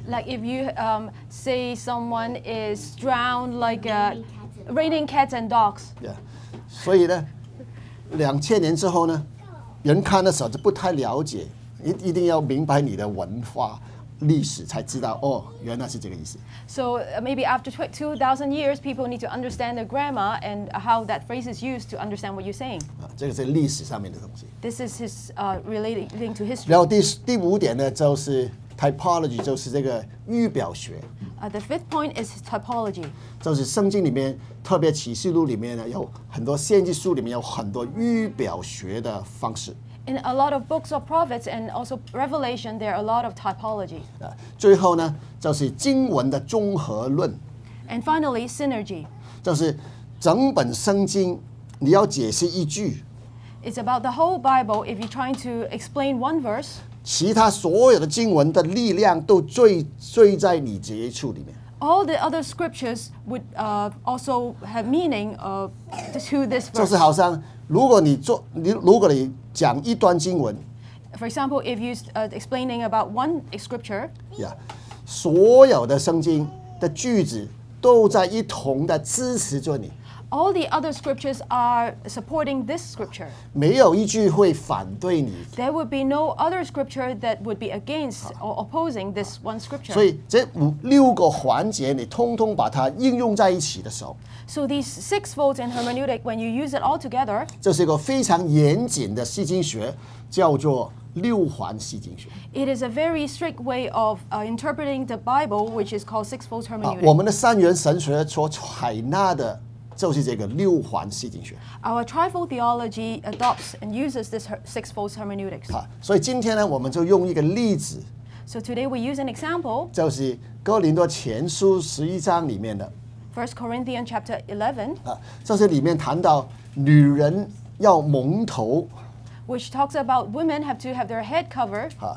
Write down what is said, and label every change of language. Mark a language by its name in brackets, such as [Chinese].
[English] Like if you say someone is drowned like a raining cats and dogs. Yeah. [Chinese] 所以呢，2000年之后呢，人看的时候就不太了解，一定要明白你的文化。历史才知道原来是这个意思。 [English] So maybe after 2,000 years, people need to understand the grammar and how that phrase is used to understand what you're saying. [Chinese] 这个是历史上面的东西。 [English] This is his relating to history. [Chinese] 然后第五点呢，就是typology 就是这个预表学。 [English] The fifth point is typology. [Chinese] 就是圣经里面，特别启示录里面呢，有很多先知书里面有很多预表学的方式。 [English] In a lot of books of prophets and also Revelation, there are a lot of typology. [Chinese] 最后呢，就是经文的综合论。 [English] And finally, synergy. [Chinese] 就是整本圣经，你要解释一句。 [English] It's about the whole Bible. If you're trying to explain one verse, [Chinese] 其他所有的经文的力量都聚在你这一处里面。 [English] All the other scriptures would also have meaning to this verse. [Chinese] 就是好像如果你做你如果你讲一段经文 [English] ，For example, if you're explaining about one scripture, [Chinese] yeah, 所有的圣经的句子都在一同的支持着你。 [English] All the other scriptures are supporting this scripture. [Chinese] 没有一句会反对你。 [English] There would be no other scripture that would be against or opposing this one scripture. [Chinese] 所以这五六个环节，你通通把它应用在一起的时候 [English] ，So these six folds in hermeneutic, when you use it all together, [Chinese] 这是一个非常严谨的释经学，叫做六环释经学。 [English] It is a very strict way of interpreting the Bible, which is called six folds hermeneutic. [Chinese] 我们的三元神学所采纳的。就是这个六环释经学。 [English] Our trifold theology adopts and uses this sixfold hermeneutics. [Chinese] 所以今天呢，我们就用一个例子。 [English] So today we use an example. [Chinese] 就是哥林多前书十一章里面的。 [English] First Corinthians chapter 11. [Chinese] 这些里面谈到女人要蒙头。 [English] Which talks about women have to have their head covered.